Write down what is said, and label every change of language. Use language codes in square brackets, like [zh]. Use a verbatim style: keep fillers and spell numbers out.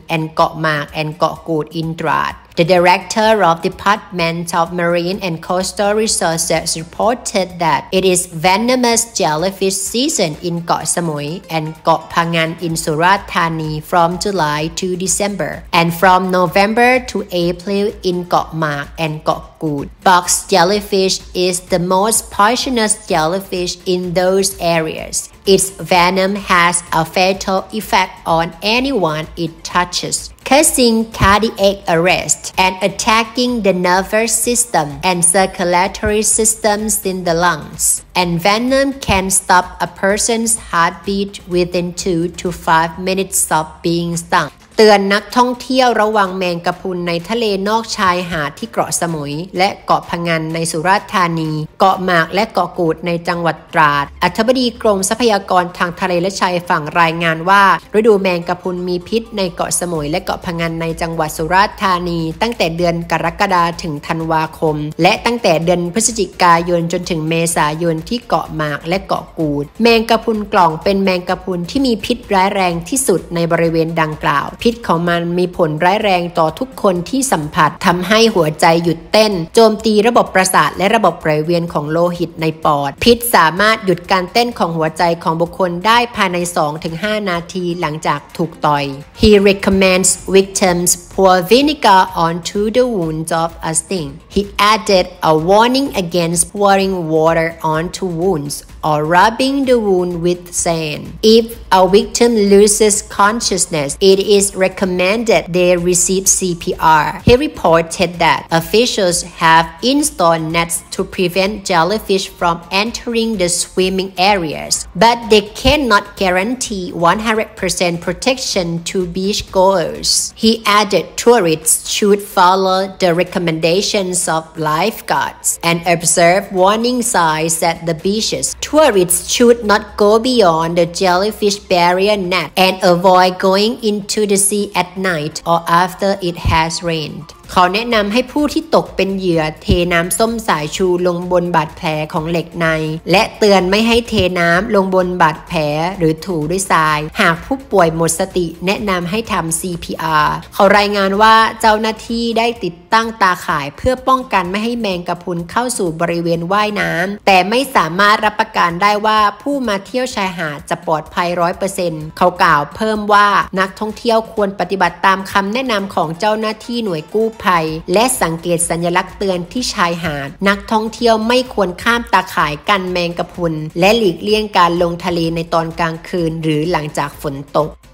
[en] and เกาะหมาก and เกาะกูด in ตราดThe director of Department of Marine and Coastal Resources reported that it is venomous jellyfish season in Koh Samui and Koh Phangan in Surat Thani from July to December, and from November to April in Koh Mak and Koh Gut. Box jellyfish is the most poisonous jellyfish in those areas. Its venom has a fatal effect on anyone it touches, causing cardiac arrest and attacking the nervous system and circulatory systems in the lungs. And venom can stop a person's heartbeat within two to five minutes of being stung. [th] เตือนนักท่องเที่ยวระวังแมงกะพรุนในทะเลนอกชายหาดที่เกาะสมุยและเกาะพะงันในสุราษฎร์ธานีเกาะหมากและเกาะกูดในจังหวัดตราดอธิบดีกรมทรัพยากรทางทะเลและชายฝั่งรายงานว่า ฤดูแมงกะพรุนมีพิษในเกาะสมุยและเกาะพะงันในจังหวัดสุราษฎร์ธานีตั้งแต่เดือนกรกฎาคมถึงธันวาคมและตั้งแต่เดือนพฤศจิกายนจนถึงเมษายนที่เกาะหมากและเกาะกูดแมงกะพรุนกล่องเป็นแมงกะพรุนที่มีพิษร้ายแรงที่สุดในบริเวณดังกล่าว พิษของมันมีผลร้ายแรงต่อทุกคนที่สัมผัสทำให้หัวใจหยุดเต้นโจมตีระบบประสาทและระบบไหลเวียนของโลหิตในปอดพิษสามารถหยุดการเต้นของหัวใจของบุคคลได้ภายใน สองถึงห้า นาทีหลังจากถูกต่อย [en] He recommends victims pour vinegar onto the wounds of a sting. He added a warning against pouring water onto wounds or rubbing the wound with sand. If a victim loses consciousness, it is recommended they receive C P R. He reported that officials have installed nets to prevent jellyfish from entering the swimming areas, but they cannot guarantee one hundred percent protection to beachgoers. He added tourists should follow the recommendations of lifeguards and observe warning signs at the beaches. Tourists should not go beyond the jellyfish barrier net and avoid going into the sea at night or after it has rained. [th] เขาแนะนำให้ผู้ที่ตกเป็นเหยื่อเทน้ำส้มสายชูลงบนบาดแผลของเหล็กในและเตือนไม่ให้เทน้ำลงบนบาดแผลหรือถูด้วยทรายหากผู้ป่วยหมดสติแนะนำให้ทำ C P R เขารายงานว่าเจ้าหน้าที่ได้ติดตั้งตาข่ายเพื่อป้องกันไม่ให้แมงกะพรุนเข้าสู่บริเวณว่ายน้ำแต่ไม่สามารถรับประกันได้ว่าผู้มาเที่ยวชายหาดจะปลอดภัย หนึ่งร้อยเปอร์เซ็นต์ เขากล่าวเพิ่มว่านักท่องเที่ยวควรปฏิบัติตามคำแนะนำของเจ้าหน้าที่หน่วยกู้ภัยและสังเกตสัญลักษณ์เตือนที่ชายหาดนักท่องเที่ยวไม่ควรข้ามตาข่ายกันแมงกะพรุนและหลีกเลี่ยงการลงทะเลในตอนกลางคืนหรือหลังจากฝนตก